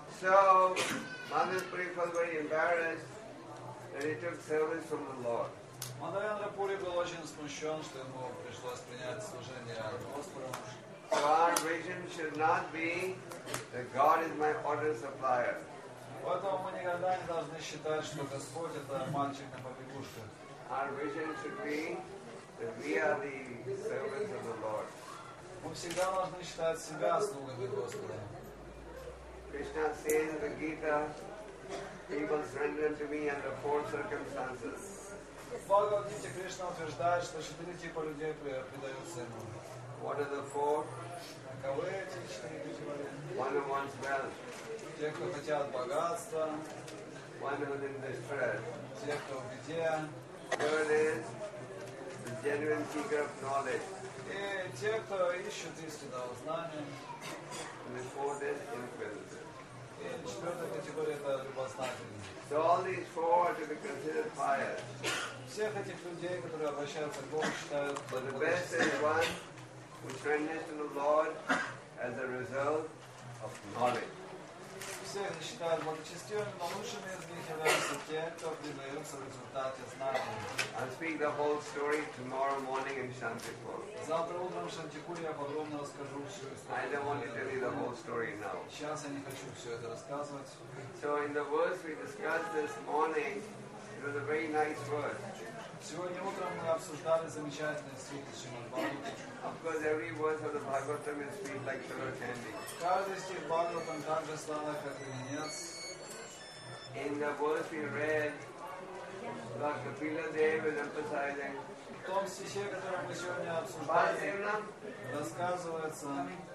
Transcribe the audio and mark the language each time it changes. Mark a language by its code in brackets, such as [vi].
[en] So, Mother Puri was very embarrassed that he took service from the Lord. [ru] Матхарендра Пури был очень смущен, что ему пришлось принять служение от Господа. [en] So our vision should not be that God is my order supplier. [ru] Поэтому мы никогда не должны считать, что Господь это мальчик на побегушке. [en] Our vision should be that we are the servants of the Lord. [ru] Мы всегда должны считать себя слугами Господа. [en] Krishna says in the Gita, people surrender to me under four circumstances. [ru] Бхагавад-гите Кришна утверждает, что четыре типа людей предаются ему. [en] What are the four? [ru] Каковы эти четыре типа людей? [en] One who wants wealth. [ru] Те, кто хотят богатства. [en] One who is in distress. [ru] Те, кто в беде. [en] Third is the genuine seeker of knowledge. [ru] И те, кто ищет истинного знания. [en] The fourth is inquisitive. [ru] И четвертая категория — это любознательные. [en] So all these four are to be considered pious. [ru] Всех этих людей, которые обращаются к Богу, считают. [en] But the best is one who surrenders to the Lord as a result of knowledge. [ru] Все они считают благочестивыми, но лучшими из них являются те, кто предаются в результате знания. [en] I'll speak the whole story tomorrow morning in Shantipur. [ru] Завтра утром в Шантипуре я подробно расскажу всю историю. [en] I don't want to tell you the whole story now. [ru] Сейчас я не хочу все это рассказывать. [en] So in the verse we discussed this morning, it was a very nice verse. [ru] Сегодня утром мы обсуждали замечательные стихи Шримад-Бхагаватам. [en] Of course, every verse of the Bhagavatam is sweet like sugar candy. [ru] Каждый стих Бхагаватам так же сладок, как леденец. [en] In the verse we read, Lord Kapila Dev is emphasizing. [ru] В том стихе, который мы сегодня обсуждали, рассказывается.